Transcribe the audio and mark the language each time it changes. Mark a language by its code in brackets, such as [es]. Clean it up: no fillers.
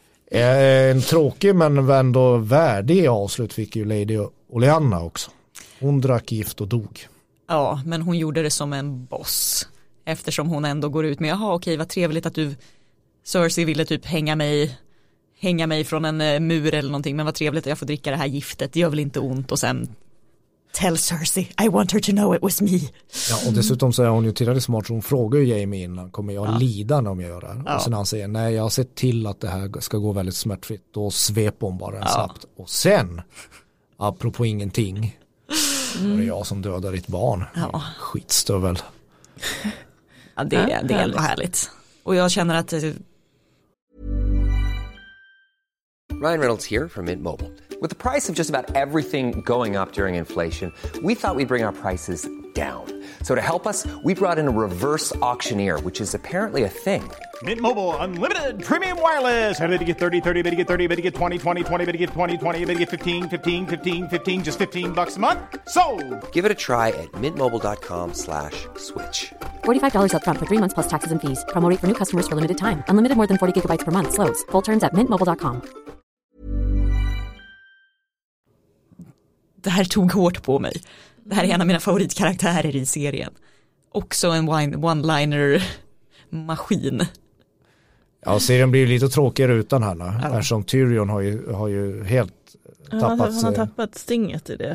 [sv] En tråkig men ändå värdig avslut fick ju Lady Olenna också. Hon drack gift och dog. Ja, men hon gjorde det som en boss, eftersom hon ändå går ut med jaha, okej, vad trevligt att du, Cersei, ville typ hänga mig från en mur eller någonting, men vad trevligt att jag får dricka det här giftet, det gör väl inte ont. Och sen [en] tell Cersei, I want her to know it was me. [sv] Ja, och dessutom så är hon ju tillräckligt smart, så hon frågar ju Jaime innan, kommer jag lida när jag gör det här? Och sen han säger, nej, jag har sett till att det här ska gå väldigt smärtfritt, då sveper hon bara en snabbt. Och sen, apropå ingenting, är det jag som dödar ditt barn. Skitstövel. Ja, det är ändå härligt. Och jag känner att [en] Ryan Reynolds here from Mint Mobile. With the price of just about everything going up during inflation, we thought we'd bring our prices down. So to help us, we brought in a reverse auctioneer, which is apparently a thing. Mint Mobile Unlimited Premium Wireless. How to get 30, 30, how to get 30, how to get 20, 20, 20, how to get 20, 20, how to get 15, 15, 15, 15, just $15 a month? Sold! Give it a try at mintmobile.com/switch. $45 up front for 3 months plus taxes and fees. Promo rate for new customers for limited time. Unlimited more than 40 gigabytes per month. Slows full terms at mintmobile.com. [sv] Det här tog hårt på mig. Det här är en av mina favoritkaraktärer i serien. Också en one-liner-maskin. Ja, serien blir ju lite tråkigare utan henne. Eftersom Tyrion har ju helt tappat sig. Han har tappat stinget i det.